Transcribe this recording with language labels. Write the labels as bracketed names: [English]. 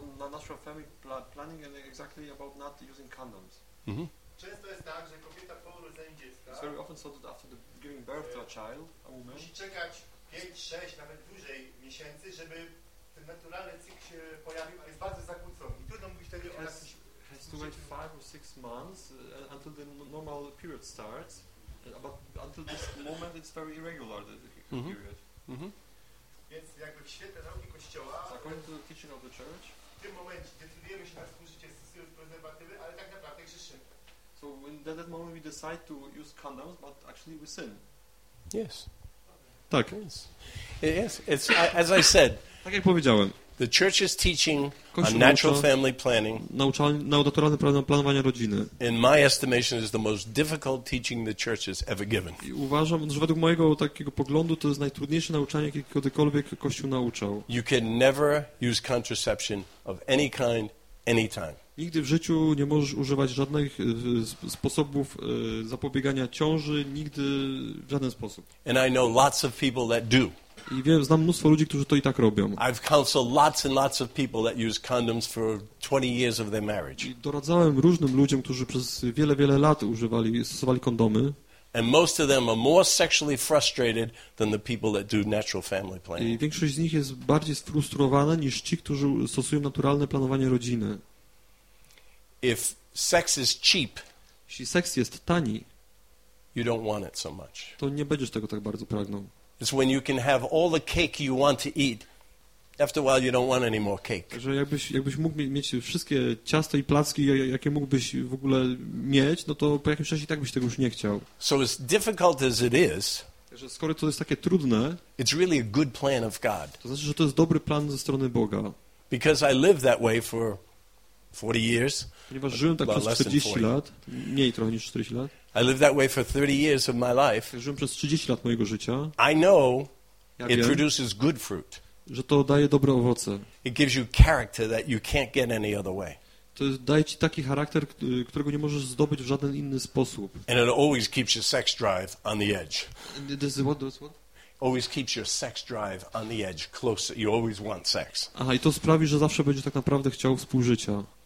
[English] Natural family planning and exactly about not using condoms. [Polish] Często jest tak, że kobieta po urodzeniu dziecka. [English] It's very often so that after the giving birth to a child, a woman. [Polish] Musi czekać 5-6 nawet dłużej miesięcy, żeby ten naturalny cykl się pojawił, a jest bardzo zakłócony. I trudno mówić wtedy o jakimś. [English] Has to wait 5 or 6 months until the normal period starts. But until this moment, it's very irregular the period. [Polish] Więc jakby w świetle nauki kościoła. [English] So according to the teaching of the church. [Polish] W tym momencie decydujemy się na współżycie z prezerwatywy, ale tak naprawdę grzeszymy. [English] So in that moment we decide to use condoms, but actually we sin. Yes. [Polish] Tak. [English] Yes. Yes. It's as I said. [Polish] Tak jak powiedziałem. [English] The church is teaching on natural family planning. [Polish] Naturalne planowanie rodziny. [English] In my estimation, is the most difficult teaching the church has ever given. [Polish] Uważam, że według mojego takiego poglądu to jest najtrudniejsze nauczanie, jakie kiedykolwiek Kościół nauczał. [English] You can never use contraception of any kind, anytime. [Polish] Nigdy w życiu nie możesz używać żadnych sposobów zapobiegania ciąży, nigdy w żaden sposób. [English] And I know lots of people that do. [Polish] I wiem, znam mnóstwo ludzi, którzy to i tak robią. [English] I've counseled lots and lots of people that use condoms for 20 years of their marriage. [Polish] Doradzałem różnym ludziom, którzy przez wiele, wiele lat używali, stosowali kondomy. [English] And most of them are more sexually frustrated than the people that do natural family planning. [Polish] I większość z nich jest bardziej sfrustrowana niż ci, którzy stosują naturalne planowanie rodziny. [English] If sex is cheap, [Polish] jeśli seks jest tani, [English] you don't want it so much. [Polish] To nie będziesz tego tak bardzo pragnął. [English] It's when you can have all the cake you want to eat. After a while, you don't want any more cake. [Polish] Że jakbyś mógł mieć wszystkie ciasto i placki, jakie mógłbyś w ogóle mieć, no to po jakimś czasie i tak byś tego już nie chciał. [English] So as difficult as it is, [Polish] że skoro to jest takie trudne, [English] it's really a good plan of God. [Polish] To znaczy, że to jest dobry plan ze strony Boga. [English] Because I lived that way for 40 years. [Polish] Ponieważ żyłem tak przez 40 lat, mniej trochę niż 40 lat. [English] I lived that way for 30 years of my life. [Polish] Żyłem przez 30 lat mojego życia. [English] I know [Polish] ja [English] it [Polish] wiem, [English] produces good fruit. [Polish] Że to daje dobre owoce. [English] It gives you character that you can't get any other way. [Polish] To daje ci taki charakter, którego nie możesz zdobyć w żaden inny sposób. [English] And it always keeps your sex drive on the edge. This is what? always keeps your sex drive on the edge, close. You always want sex. [Polish] Aha, i to sprawi, że zawsze będziesz tak naprawdę chciał współżycia.